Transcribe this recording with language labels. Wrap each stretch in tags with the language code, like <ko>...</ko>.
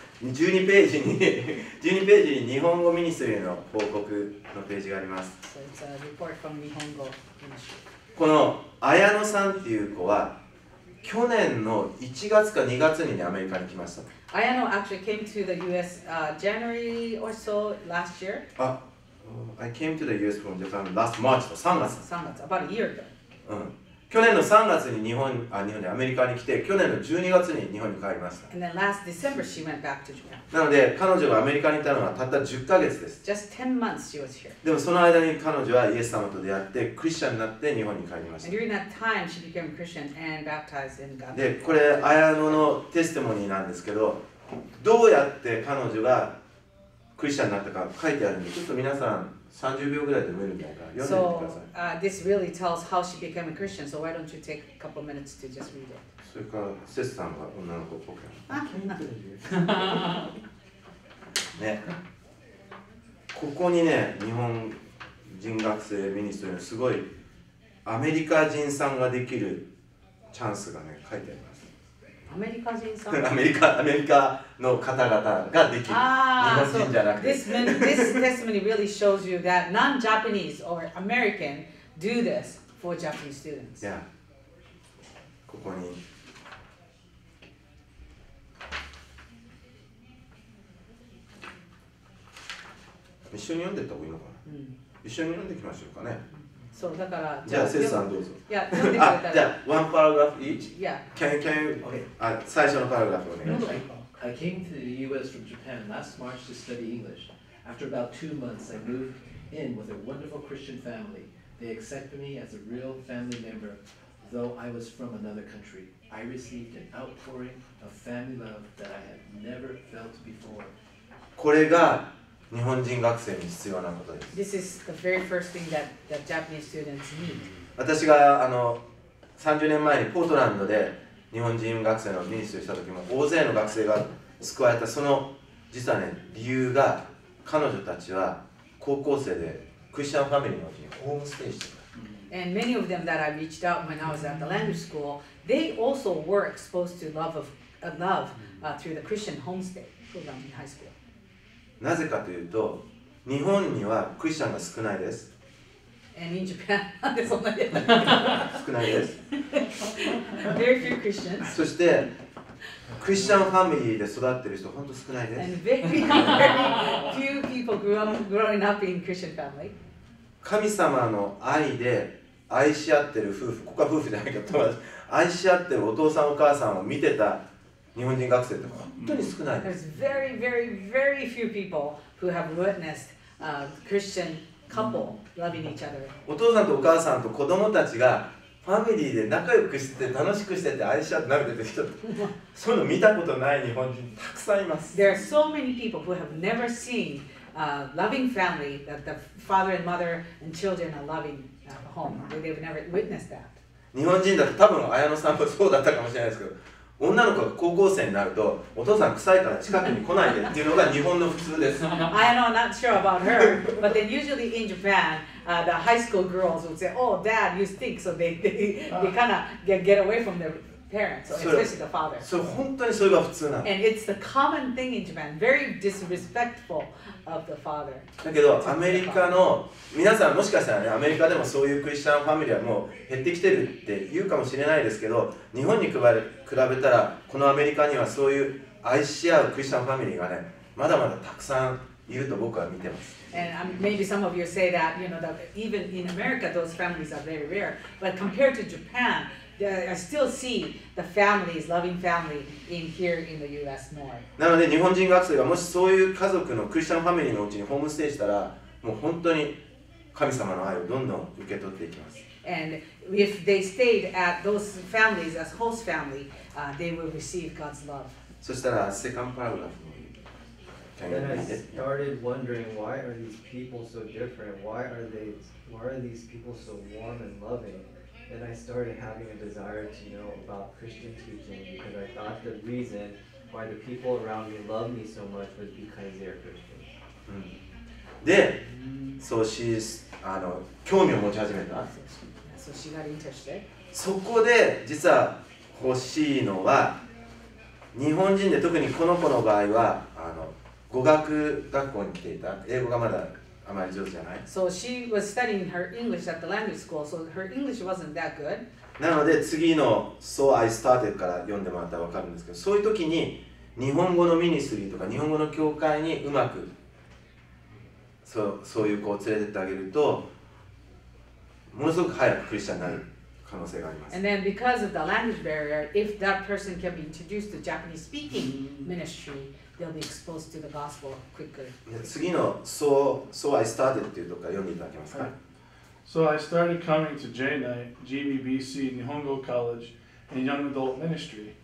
<ja>12ページに日本語ミニストリーの報告のページがあります。</ja> <en>So、it's a report from</en> <ja>日本語ミニストリー。この綾乃さんっていう子は去年の1月か2月に、ね、アメリカに来ました。</ja> <en>綾乃 actually came to the US January or so last year. I came to the US from Japan last March,</en> <ja>3月。 3月、</ja> <en>about a year ago.</en> <ja>去年の3月に日本でアメリカに来て、去年の12月に日本に帰りました。</ja> <en>And then last December she went back to Japan.</en> <ja>なので、彼女がアメリカにいたのはたった10ヶ月です。</ja> <en>Just 10 months she was here.</en> <ja>でもその間に彼女はイエス様と出会って、クリスチャンになって日本に帰りました。</ja> <en>And during that time she became a Christian and baptized in God.</en> <ja>で、これ、綾乃のテステモニーなんですけど、どうやって彼女がクリスチャンになったか書いてあるんで、ちょっと皆さん、30秒ぐらいで読めるんじゃないか。読んでみてください。</ja> <en>So, this really tells how she became a Christian. So why don't you take a couple minutes to just read it?</en> <ja>それからセスさんが女の子っぽく。ね。ここにね、日本人学生ミニストリーのすごいアメリカ人さんができるチャンスがね書いてあります。アメリカ人さん。アメリカの方々ができる。日本人じゃなくて。</ja> <en>This testimony really shows you that non-Japanese or American do this for Japanese students.</en> <ja>ここに。一緒に読んでった方がいいのかな。一緒に読んでいきましょうかね。そうだから、じゃあセスさんどうぞ。</ja> <en>Yeah,</en> <ja>じゃあ、ワンパラグラフ</ja> <en>each? Yeah. Can you? Okay.</en> <ja>最初のパラグラフお願いします。</ja> <en>I came to the US from Japan last March to study English. After about 2 months, I moved in with a wonderful Christian family. They accepted me as a real family member, though I was from another country. I received an outpouring of family love that I had never felt before.</en> <ja>これが日本人学生に必要なことです。</ja> <en>This is the very first thing that the Japanese students need.</en> <ja>私が30年前にポートランドで日本人学生のミニストリーした時も大勢の学生が救われた、その実はね、理由が彼女たちは高校生でクリスチャンファミリーのうちにホームステイしてた。</ja> <en>And many of them that I reached out when I was at the language school, they also were exposed to love through the Christian homestay program in high school.</en> <ja>なぜかというと、日本にはクリスチャンが少ないです。</ja> <en>And in Japan,</en> <ja>なんでそんなに少ないです。</ja> <en>Very few Christians.</en> <ja>そして、クリスチャンファミリーで育ってる人、本当少ないです。</ja> <en>And very few people growing up in Christian family.</en> <ja>神様の愛で愛し合ってる夫婦、ここは夫婦じゃないかと思います。愛し合ってるお父さんお母さんを見てた日本人学生って本当に少ないです。</ja> <en>There's very, very, very few people who have witnessed a Christian couple loving each other.</en> <ja>お父さんとお母さんと子供たちがファミリーで仲良くしてて楽しくしてて愛し合って慣れてる人って、そういうの見たことない日本人たくさんいます。</ja> <en>There are so many people who have never seen a loving family that the father and mother and children are loving at home. They've never witnessed that.</en> <ja>日本人だと多分綾野さんもそうだったかもしれないですけど、女の子が高校生になるとお父さん臭いから近くに来ないでっていうのが日本の普通です。</ja> <en>I know, I'm not sure about her, but then usually in Japan, the high school girls would say, "Oh, dad, you stink," so they kind of get away from their parents, especially the father.</en> <ja>そう、本当にそれが普通なの。</ja> <en>And it's the common thing in Japan, very disrespectful of the father.</en> <ja>だけどアメリカの皆さんもしかしたらね、アメリカでもそういうクリスチャンファミリーはもう減ってきてるって言うかもしれないですけど、日本に比べたらこのアメリカにはそういう愛し合うクリスチャンファミリーがね、まだまだたくさんいると僕は見てます。</ja> <en>And maybe some of you say that, you know, that even in America, those families are very rare. But compared to Japan, I still see the families, loving family in here in the U.S. more.</en> <ja>なので日本人学生がもしそういう家族のクリスチャンファミリーのうちにホームステイしたら、もう本当に神様の愛をどんどん受け取っていきます。</ja> <en>And if they stayed at those families as host family, they will receive God's love.</en> <ja>そしたら、セカンドパラグラフ。</ja> <en>Then I started wondering, why are these people so different? Why are these people so warm and loving? Then I started having a desire to know about Christian teaching because I thought the reason why the people around me love me so much was because they are Christian.</en> <ja>で、</ja> <en>so she's,</en> <ja>興味を持ち始めた。</ja> <en>So she got interested.</en> <ja>そこで実は欲しいのは、日本人で特にこの子の場合は、語学学校に来ていた。英語がまだあまり上手じゃない。</ja> <en>So she was studying her English at the language school, so her English wasn't that good.</en> <ja>なので次の</ja> <en>So I Started</en> <ja>から読んでもらったら分かるんですけど、そういう時に日本語のミニスリーとか日本語の教会にうまくそういう子を連れてってあげると、ものすごく早くクリスチャンになる可能性があります。</ja> <en>And then because of the language barrier, if that person can be introduced to Japanese speaking ministry,</en> <ja>次の</ja> <en>So, So I Started</en> <ja>っていうとか読んでいただけますか、</ja> <en>So I started coming to J-Night, GBBC, Nihongo College, and Young Adult Ministry.</en>